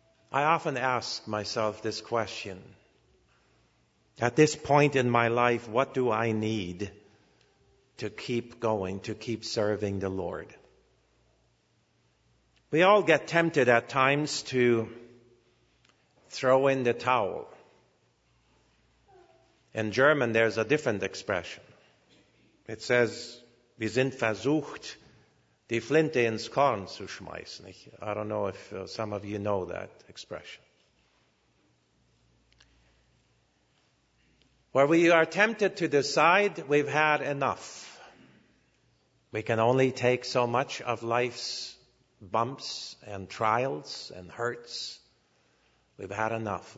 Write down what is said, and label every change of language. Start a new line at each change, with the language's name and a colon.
English: I often ask myself this question. At this point in my life, what do I need to keep going, to keep serving the Lord? We all get tempted at times to throw in the towel. In German, there's a different expression. It says,
German: wir sind versucht, die Flinte ins Korn zu schmeißen.
English: I don't know if some of you know that expression. Where we are tempted to decide we've had enough. We can only take so much of life's bumps and trials and hurts. We've had enough.